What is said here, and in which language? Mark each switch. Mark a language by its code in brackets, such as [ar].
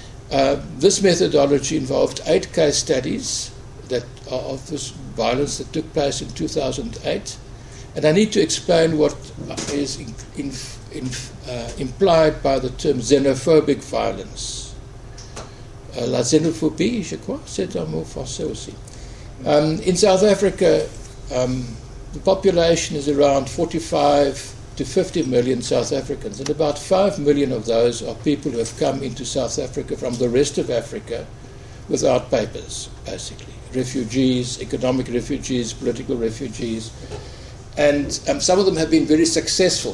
[en] This methodology involved 8 case studies that are of this violence that took place in 2008. And I need to explain what is implied by the term xenophobic violence. [fr] La xénophobie, je crois, c'est un mot français aussi. [en] In South Africa, the population is around 45 to 50 million South Africans, and about 5 million of those are people who have come into South Africa from the rest of Africa without papers, basically. Refugees, economic refugees, political refugees, and some of them have been very successful.